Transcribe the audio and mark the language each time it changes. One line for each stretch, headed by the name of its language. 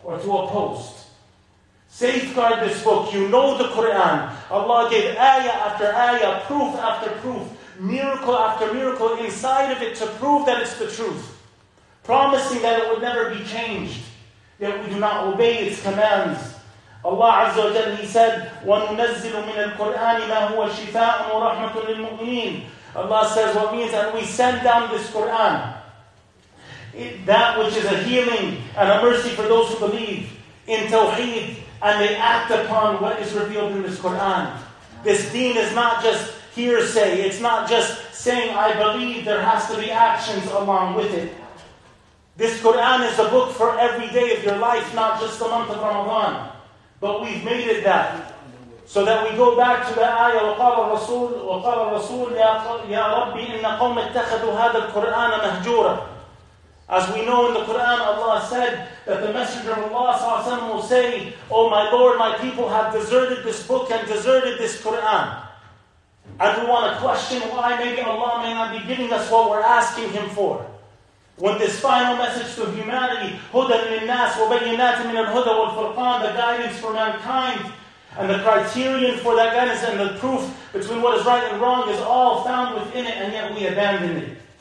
English: Or to a post. Safeguard this book. You know the Quran. Allah gave ayah after ayah, proof after proof, miracle after miracle inside of it to prove that it's the truth, promising that it would never be changed. Yet we do not obey its commands.
Arabic: Allah Azza wa Jal,
English: He said,
Arabic: وَنُنَزِّلُ مِنَ الْقُرْآنِ مَا هُوَ شِفَاءٌ وَرَحْمَةٌ لِلْمُؤْمِنِينَ.
English: Allah says, what means that we send down this Quran, that which is a healing and a mercy for those who believe in Tawheed, and they act upon what is revealed in this Quran. This deen is not just hearsay, it's not just saying, I believe, there has to be actions along with it. This Quran is a book for every day of your life, not just the month of Ramadan. But we've made it that. So that we go back to the ayah,
Arabic: وَقَالَ الرَّسُولُ يَا رَبِّ إِنَّ قَوْمَ اتَّخَذُوا هَذَا الْقُرْآنَ مَهْجُورًا.
English: As we know in the Qur'an, Allah said that the Messenger of Allah ﷺ will say, oh my Lord, my people have deserted this book and deserted this Qur'an. And we want to question why maybe Allah may not be giving us what we're asking Him for. When this final message to humanity,
Arabic: هُدَى لِلنَّاسِ وَبَيِّنَاتٍ مِنَ الْهُدَى وَالْفُرْقَانِ,
English: the guidance for mankind, and the criterion for that guidance and the proof between what is right and wrong is all found within it, and yet we abandon it.